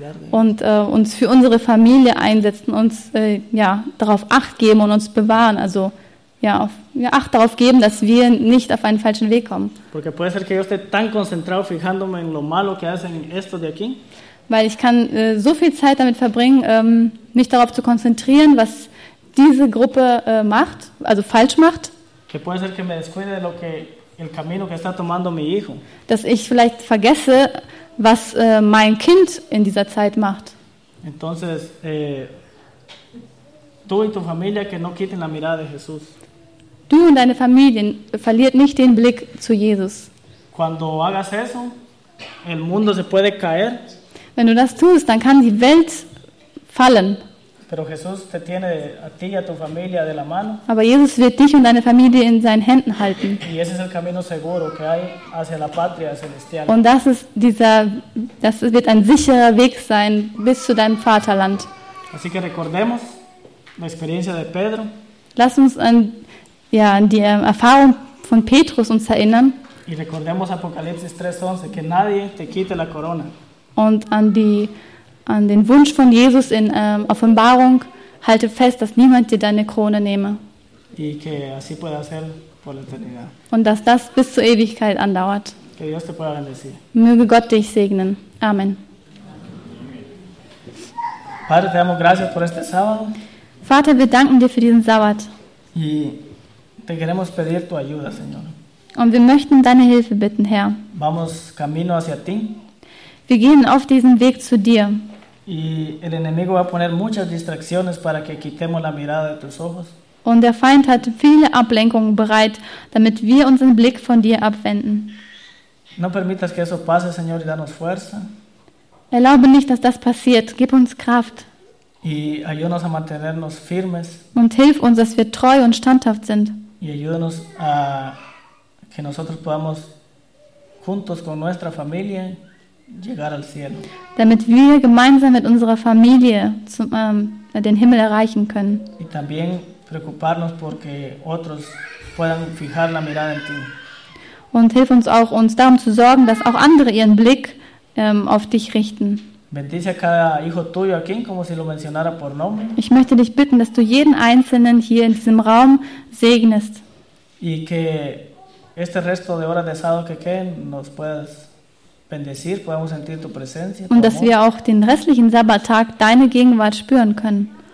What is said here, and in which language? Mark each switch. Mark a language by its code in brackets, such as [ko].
[de] Und uns für unsere Familie einsetzen, uns ja, darauf Acht geben und uns bewahren, also ja, auf, ja, Acht darauf geben, dass wir nicht auf einen falschen Weg kommen. [es] Porque puede ser que yo esté tan concentrado fijándome en lo malo que hacen estos de aquí. [de] Weil ich kann so viel Zeit damit verbringen, mich darauf zu konzentrieren, was diese Gruppe macht, also falsch macht. [es] Que puede ser que me descuide de lo que el camino que está tomando mi hijo. [de] Dass ich vielleicht vergesse, was mein Kind in dieser Zeit macht. [es] Entonces, tú y tu familia que no quiten la mirada de Jesús. [de] Du und deine Familie verliert nicht den Blick zu Jesus. [es] Cuando hagas eso, el mundo se puede caer. [de] Wenn du das tust, dann kann die Welt fallen. [es] Pero Jesús te tiene a ti y a tu familia de la mano. [de] Aber Jesus wird dich und deine Familie in seinen Händen halten. [es] Y ese es el camino seguro que hay hacia la patria celestial. [de] Und das wird ein sicherer Weg sein bis zu deinem Vaterland. [es] Así que recordemos la experiencia de Pedro. [de] Lass uns an die Erfahrung von Petrus uns erinnern. [es] Y recordemos Apocalipsis 3:11, que nadie te quite la corona. [de] Und an den Wunsch von Jesus in Offenbarung, halte fest, dass niemand dir deine Krone nehme. [es] Y que así pueda ser por la eternidad. [de] Und dass das bis zur Ewigkeit andauert. [es] Que Dios te pueda bendecir. [de] Möge Gott dich segnen. Amen. [es] Padre, te damos gracias por este sábado. [de] Vater, wir danken dir für diesen Sabbat. [es] Y te queremos pedir tu ayuda, Señor. [de] Und wir möchten deine Hilfe bitten, Herr. [es] Vamos camino hacia ti. [de] Wir gehen auf diesen Weg zu dir. [es] Y el enemigo va a poner muchas distracciones para que quitemos la mirada de tus ojos. [de] Und der Feind hat viele Ablenkungen bereit, damit wir unseren Blick von dir abwenden. [es] No permitas que eso pase, Señor, y danos fuerza. [de] Erlaube nicht, dass das passiert. Gib uns Kraft. [es] Y ayúdanos a mantenernos firmes. [de] Und hilf uns, dass wir treu und standhaft sind. [es] Y ayúdanos a que nosotros podamos juntos con nuestra familia llegar al cielo. [de] Damit wir gemeinsam mit unserer Familie zum, den Himmel erreichen können. [es] Y también preocuparnos porque otros puedan fijar la mirada en ti. [de] Und hilf uns auch, uns darum zu sorgen, dass auch andere ihren Blick auf dich richten. [es] Bendice a cada hijo tuyo aquí, como si lo mencionara por nombre. [de] Ich möchte dich bitten, dass du jeden Einzelnen hier in diesem Raum segnest. [es] Y que este resto de horas de sábado que queden nos puedas bendecir, podamos sentir tu presencia, [de] und dass wir auch den restlichen Sabbattag deine Gegenwart spüren können.